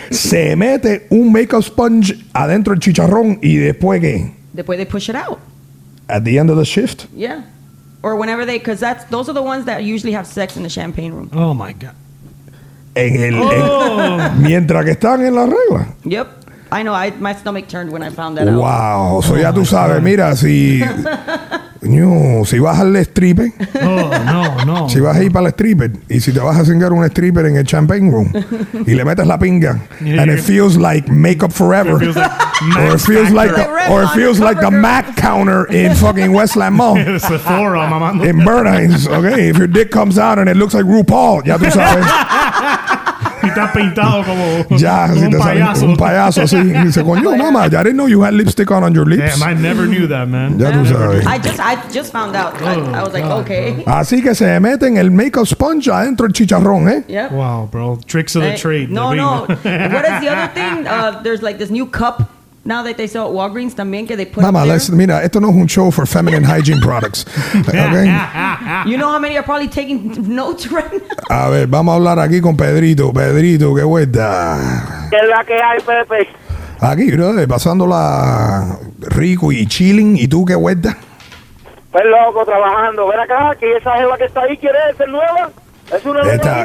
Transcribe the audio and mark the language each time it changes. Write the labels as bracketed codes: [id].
[es] Se mete un makeup sponge adentro el chicharrón y después qué? Después [en] they push it out. At the end of the shift? Yeah. Or whenever they, because those are the ones that usually have sex in the champagne room. Oh, my God. [es] En el, mientras que están en la regla. [en] Yep. I know. My stomach turned when I found that wow. out. [es] Wow. So ya tú sabes. Mira, si... No, si vas al stripper. No. Si vas a ir para el stripper. Y si te vas a singar un stripper en el champagne room. Y le metes la pinga. [en] And it feels like makeup forever. Or it feels like the Mac counter in fucking Westland Mall. Yeah, it's Sephora, mamá. In Bernheim's. Okay, if your dick comes out and it looks like RuPaul, ya tú sabes. [es] Ya, si te sale un payaso así. Y dice, coño, mamá, [en] I didn't know you had lipstick on your lips. Damn, I never knew that, man. [es] Ya tú sabes. [en] I just found out. I was like, okay. [es] Así que se meten el makeup sponge adentro del chicharrón, ¿eh? [en] Yep. Wow, bro. Tricks of the trade. No. What is the other thing? There's like this new cup now that they sell at Walgreens [es] también que [en] they put [es] mama, there. Mama, mira, esto no es un show [en] for feminine hygiene products. [es] Okay? [en] You know how many are probably taking notes right now? [es] A ver, vamos a hablar aquí con Pedrito. Pedrito, qué vuelta. ¿Qué es la que hay, Pepe? Aquí, bro, pasándola rico y chilling. ¿Y tú qué vuelta? Pues loco, trabajando. Ven acá, que esa es la que está ahí. ¿Quieres ser nueva? Es una nueva.